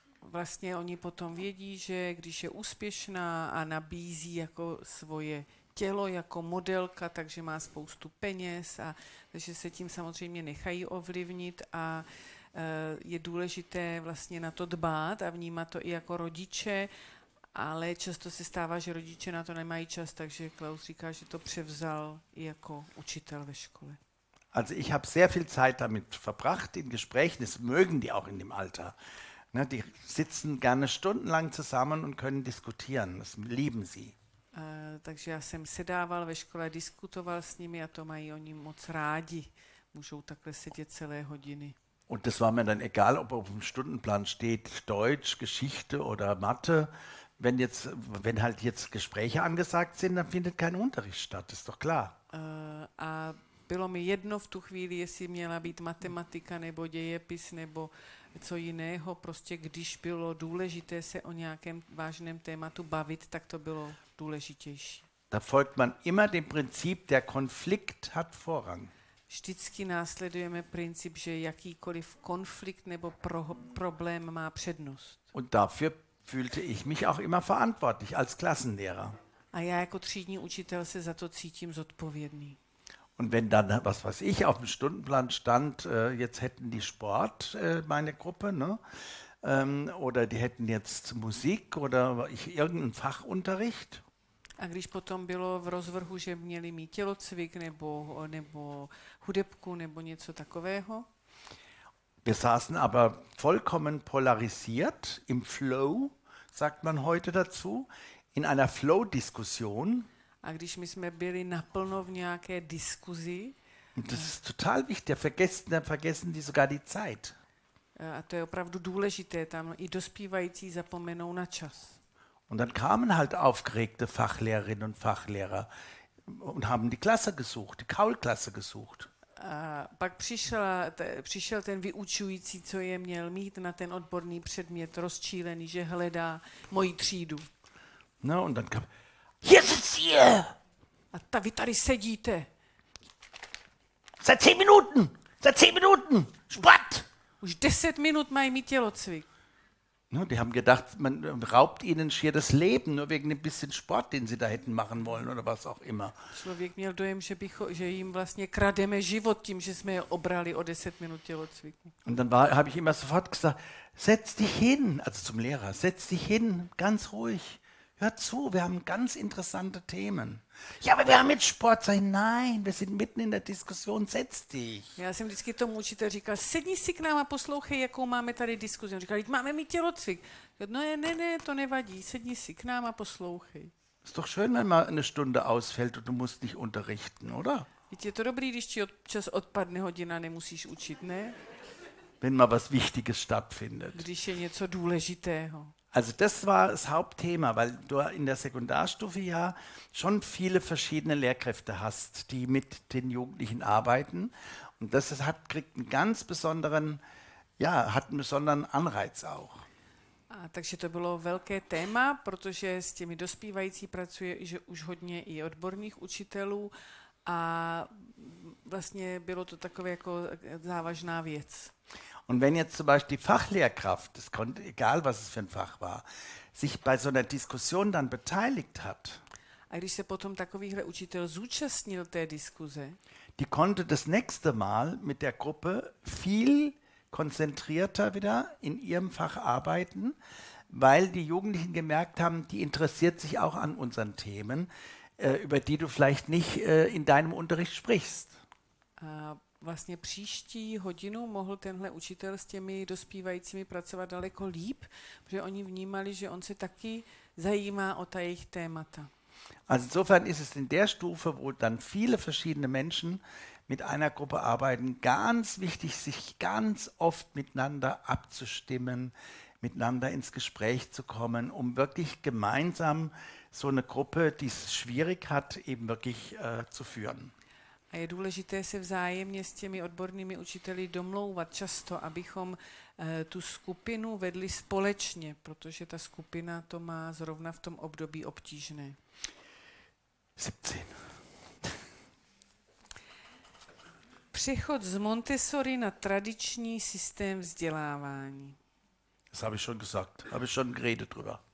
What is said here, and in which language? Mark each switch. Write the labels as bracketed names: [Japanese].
[Czech] Vlastně oni potom vědí, že když je úspěšná a nabízí jako svoje tělo jako modelka, takže má spoustu peněz a takže se tím samozřejmě nechají ovlivnit a je důležité vlastně na to dbát a vnímat to i jako rodiče, ale často se stává, že rodiče na to nemají čas, takže Klaus říká, že to převzal i jako učitel ve škole. [German] Also ich habe sehr viel Zeit damit verbracht in Gesprächen, das mögen die auch in dem Alter. Ne, die sitzen gerne stundenlang zusammen und können diskutieren, das lieben sie. [Czech] Takže já jsem sedával ve škole, diskutoval s nimi a to mají oni moc rádi. Můžou takhle sedět celé hodiny. [German] Und das war mir dann egal, ob auf dem Stundenplan steht Deutsch, Geschichte oder Mathe. Wenn halt jetzt Gespräche angesagt sind, dann findet kein Unterricht statt, ist doch klar. [Czech] A bylo mi jedno v tu chvíli, jestli měla být matematika nebo dějepis nebo co jiného, prostě když bylo důležité se o nějakém vážném tématu bavit, tak to bylo důležitější. [German] Da folgt man immer dem Prinzip, der Konflikt hat Vorrang. [Czech] Vždycky následujeme princip, že jakýkoliv konflikt nebo problém má přednost. [German] Und dafür fühlte ich mich auch immer verantwortlich als Klassenlehrer. [Czech] A já jako třídní učitel se za to cítím zodpovědný. [German] Und wenn dann, was weiß ich, auf dem Stundenplan stand, jetzt hätten die Sport, meine Gruppe, ne? Oder die hätten jetzt Musik oder irgendein Fachunterricht. [Czech] A když potom bylo v rozvrhu, že měli mít tělocvik nebo hudebku nebo něco takového. [German] Wir saßen aber vollkommen polarisiert im Flow, sagt man heute dazu, in einer Flow-Diskussion. [Czech] A když my jsme byli naplno v nějaké diskuzi. [German] Und das ist total wichtig, vergessen die sogar die Zeit. [Czech] A to je opravdu důležité, tam i dospívající zapomenou na čas. [German] Und dann kamen halt aufgeregte Fachlehrerinnen und Fachlehrer und haben die Klasse gesucht, die Kaulklasse gesucht. [Czech] A pak přišel ten vyučující, co je měl mít na ten odborný předmět, rozčílený, že hledá moji třídu. [German] No, und dann kam, hier sitzt ihr! [Czech] A ta, vy tady sedíte. [German] Seit zehn Minuten, Sport! [Czech] Už 10 minut mají mít tělocvik. [German] No, die haben gedacht, man raubt ihnen schier das Leben, nur wegen ein bisschen Sport, den sie da hätten machen wollen oder was auch immer. [Czech] Člověk měl dojem, že jim vlastně krademe život tím, že jsme je obrali o 10 minut tělocviku. [German] Und dann habe ich immer sofort gesagt, setz dich hin, also zum Lehrer, setz dich hin, ganz ruhig, hör zu, wir haben ganz interessante Themen. Ja, aber wir haben jetzt Sport, sei nein, wir sind mitten in der Diskussion, setz dich. [Czech] Já jsem vždycky tomu učitel říkal, sedni si k nám a poslouchej, jakou máme tady diskuzi. On říkal, máme mít tělocvik. No ne, to nevadí, sedni si k nám a poslouchej. [German] Ist doch schön, wenn mal eine Stunde ausfällt und du musst nicht unterrichten, oder? [Czech] Je to dobrý, když ti čas odpadne hodina, nemusíš učit, ne? [German] Wenn mal was Wichtiges stattfindet. [Czech] Když je něco důležitého. [German] Also das war das Hauptthema, weil du in der Sekundarstufe ja schon viele verschiedene Lehrkräfte hast, die mit den Jugendlichen arbeiten. Und das kriegt einen ganz besonderen, ja, hat einen besonderen Anreiz auch. [Czech] A takže to bylo velké téma, protože s těmi dospívající pracuje že už hodně i odborných učitelů a vlastně bylo to takové jako závažná věc. [German] Und wenn jetzt zum Beispiel die Fachlehrkraft, das konnte, egal was es für ein Fach war, sich bei so einer Diskussion dann beteiligt hat, [Czech] a když se potom takovýhle učitel zúčastnil té diskuze, [German] die konnte das nächste Mal mit der Gruppe viel konzentrierter wieder in ihrem Fach arbeiten, weil die Jugendlichen gemerkt haben, die interessiert sich auch an unseren Themen, über die du vielleicht nicht in deinem Unterricht sprichst. [Czech] Vlastně příští hodinu mohl tenhle učitel s těmi dospívajícími pracovat daleko líp, protože oni vnímali, že on se taky zajímá o ta jejich témata. [German] Also insofern ist es in der Stufe, wo dann viele verschiedene Menschen mit einer Gruppe arbeiten, ganz wichtig, sich ganz oft miteinander abzustimmen, miteinander ins Gespräch zu kommen, um wirklich gemeinsam so eine Gruppe, die es schwierig hat, eben wirklich zu führen. [Czech] A je důležité se vzájemně s těmi odbornými učiteli domlouvat často, abychom tu skupinu vedli společně, protože ta skupina to má zrovna v tom období obtížné. 17. Přechod z Montessori na tradiční systém vzdělávání. [German] Das habe ich schon gesagt, habe ich schon geredet drüber.